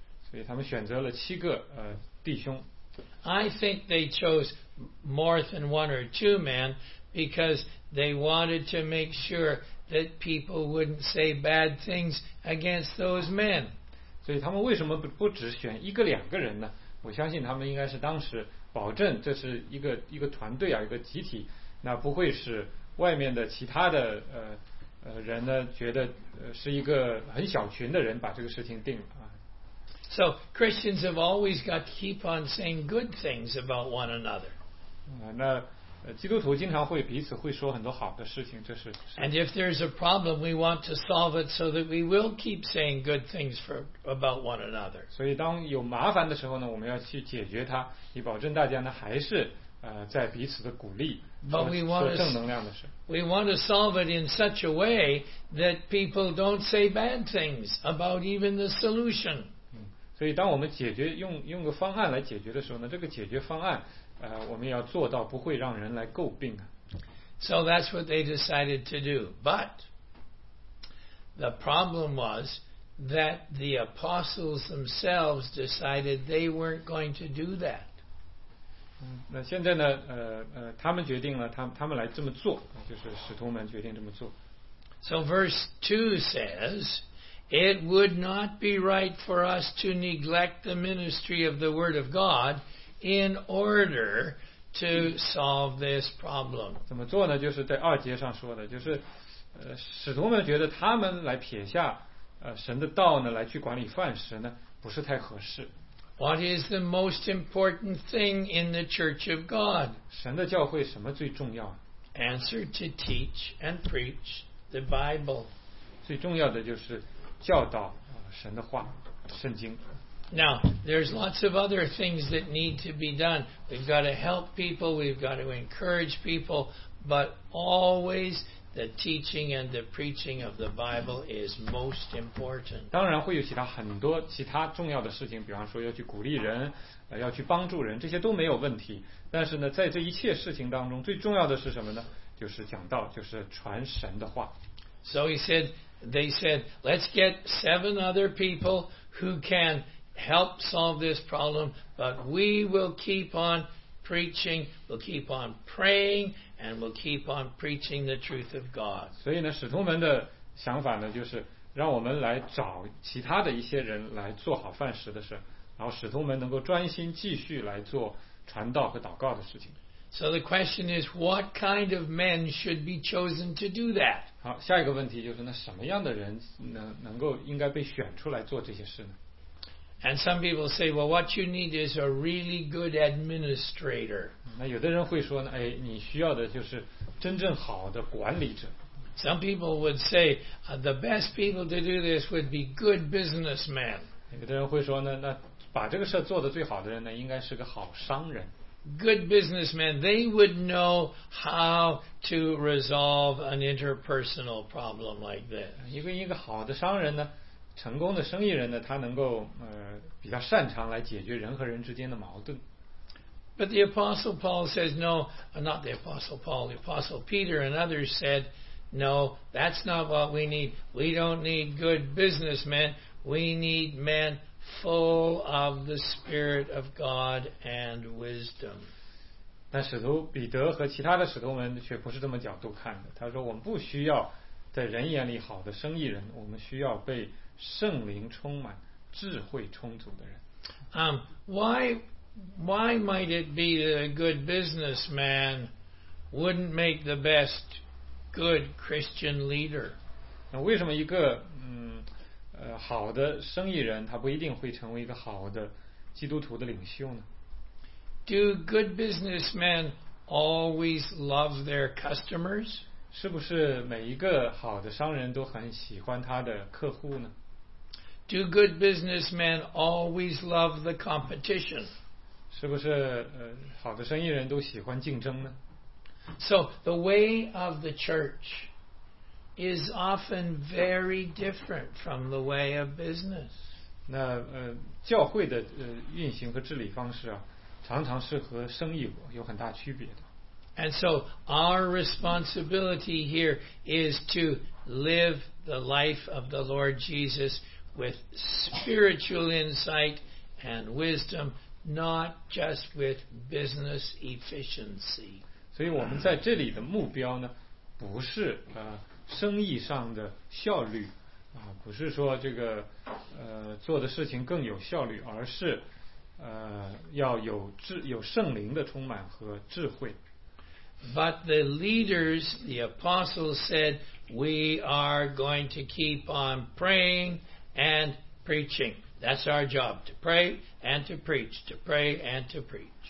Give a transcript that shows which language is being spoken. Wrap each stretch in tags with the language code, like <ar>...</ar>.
<zh>所以他们选择了七个弟兄。</zh> <en>I think they chose more than 1 or 2 men because they wanted to make sure. That people wouldn't say bad things against those men.</en> <zh>所以他们为什么不只选一个两个人呢？我相信他们应该是当时保证这是一个团队啊，一个集体，那不会使外面的其他的人呢觉得是一个很小群的人把这个事情定了啊。</zh> <en>So Christians have always got to keep on saying good things about one another.</en> <zh>那基督徒经常会彼此会说很多好的事情，这是。</zh> <en>And if there's a problem, we want to solve it so that we will keep saying good things about one another.</en> <zh>所以当有麻烦的时候呢，我们要去解决它，以保证大家呢还是在彼此的鼓励，说正能量的事。</zh> <en>We want to solve it in such a way that people don't say bad things about even the solution.</en> <zh>所以当我们解决用个方案来解决的时候呢，这个解决方案。我们要做到不会让人来诟病啊。</zh> <en>So that's what they decided to do. But the problem was that the apostles themselves decided they weren't going to do that.</en> <zh>那现在呢？他们决定了，他们来这么做，就是使徒们决定这么做。</zh> <en>So verse 2 says, "It would not be right for us to neglect the ministry of the word of God." In order to solve this problem,</en> <zh>怎么做呢？就是在二节上说的，就是使徒们觉得他们来撇下神的道呢，来去管理饭食呢，不是太合适。</zh> <en>What is the most important thing in the church of God?</en> <zh>神的教会什么最重要</zh> <en>？Answer to teach and preach the Bible.</en> <zh>最重要的就是教导神的话，圣经。</zh> <en>Now, there's lots of other things that need to be done. We've got to help people, we've got to encourage people, but always the teaching and the preaching of the Bible is most important.</en> <zh>当然会有其他重要的事情，比方说要去鼓励人，要去帮助人，这些都没有问题。但是呢，在这一切事情当中，最重要的是什么呢？就是讲道，就是传神的话。</zh> <en>So he said, they said, let's get 7 other people who can help solve this problem, but we will keep on preaching, we'll keep on praying, and we'll keep on preaching the truth of God.</en> <zh>所以呢，使徒们的想法呢，就是让我们来找其他的一些人来做好饭食的事，然后使徒们能够专心继续来做传道和祷告的事情。</zh> <en>So the question is, what kind of men should be chosen to do that?</en> <zh>好，下一个问题就是，那什么样的人能够应该被选出来做这些事呢？</zh> <en>And some people say, well, what you need is a really good administrator.</en> <zh>那有的人会说呢，哎，你需要的就是真正好的管理者。</zh> <en>Some people would say, the best people to do this would be good businessmen.</en> <zh>有的人会说呢，那把这个事做得最好的人呢，应该是个好商人。</zh> <en>Good businessmen, they would know how to resolve an interpersonal problem like this.</en> <zh>一个好的商人呢，成功的生意人呢，他能够比较擅长来解决人和人之间的矛盾。</zh> <en>But the Apostle Paul says no, not the Apostle Paul, the Apostle Peter and others said, no, that's not what we need. We don't need good businessmen. We need men full of the Spirit of God and wisdom.</en> <zh>但使徒彼得和其他的使徒们却不是这么角度看的。他说我们不需要在人眼里好的生意人，我们需要被圣灵充满，智慧充足的人。</zh> <en>Why might it be that a good businessman wouldn't make the best good Christian leader?</en> <zh>那为什么一个好的生意人他不一定会成为一个好的基督徒的领袖呢？</zh> <en>Do good businessmen always love their customers?</en> <zh>是不是每一个好的商人都很喜欢他的客户呢？</zh> <en>Do good businessmen always love the competition?</en> <zh>是不是好的生意人都喜欢竞争呢？</zh> <en>So the way of the church is often very different from the way of business.</en> <zh>那教会的运行和治理方式啊，常常是和生意有很大区别的。</zh> <en>And so our responsibility here is to live the life of the Lord Jesus with spiritual insight and wisdom, not just with business efficiency.</en> <zh>所以我们在这里的目标呢，不是生意上的效率啊，不是说这个做的事情更有效率，而是要有圣灵的充满和智慧。</zh> <en>But the leaders, the apostles said, we are going to keep on praying and preaching. That's our job, to pray and to preach, to pray and to preach.</en>